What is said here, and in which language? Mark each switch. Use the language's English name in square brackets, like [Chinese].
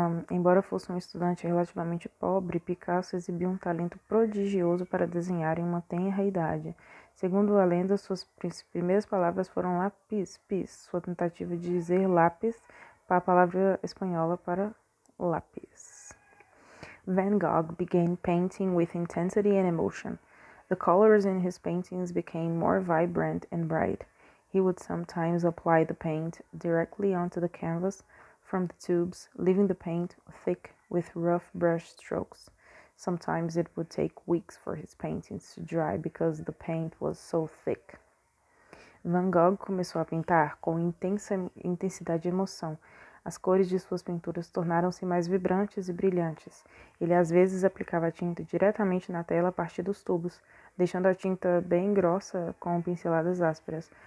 [Portuguese] Embora fosse um estudante relativamente pobre, Picasso exibiu um talento prodigioso para desenhar em uma tenra idade. Segundo a lenda, suas primeiras palavras foram lápis, pis, sua tentativa de dizer lápis para a palavra espanhola para lápis. [English] Van Gogh began painting with intensity and emotion. The colors in his paintings became more vibrant and bright. He would sometimes apply the paint directly onto the canvas from the tubes, leaving the paint thick with rough brush strokes. Sometimes it would take weeks for his paintings to dry because the paint was so thick. [Portuguese] Van Gogh começou a pintar com intensa intensidade e emoção. As cores de suas pinturas tornaram-se mais vibrantes e brilhantes. Ele às vezes aplicava a tinta diretamente na tela a partir dos tubos, deixando a tinta bem grossa com pinceladas ásperas.